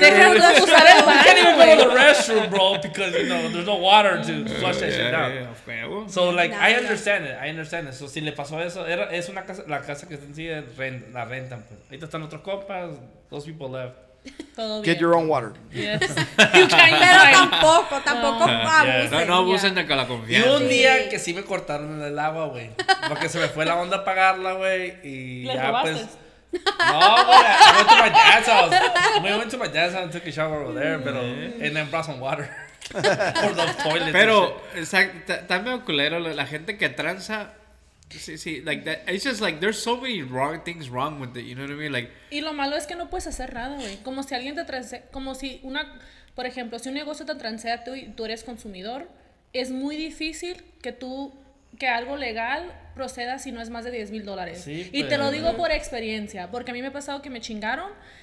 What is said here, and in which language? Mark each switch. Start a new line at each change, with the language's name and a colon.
English: can't even go to the restroom, bro, because, you know, there's no water to flush that shit down. Yeah. So, like, I understand it.
Spanish: So, si le pasó eso, es una casa, la casa que está en sí, la rentan. Ahorita están otros compas,
English: those people left. Get your own water. Yes.
Spanish: Pero tampoco abusen. No abusen de la confianza. Y un día que sí me cortaron el agua, güey. Porque se me fue la onda a pagarla, güey. Y ya pues. No, güey.
English: We went to my dad's house and took a shower over there. Pero. And then brought some water. For the toilet.
Spanish: Pero. Está medio culero. La gente que tranza.
English: Sí, like that. It's just like there's so many wrong things wrong with it, you know what I mean? Like,
Spanish: y lo malo es que no puedes hacer nada, güey. Como si alguien te transea, como si una, por ejemplo, si un negocio te transea tú y tú eres consumidor, es muy difícil que tú, que algo legal proceda si no es más de $10,000. Sí, y te lo digo por experiencia, porque a mí me ha pasado que me chingaron.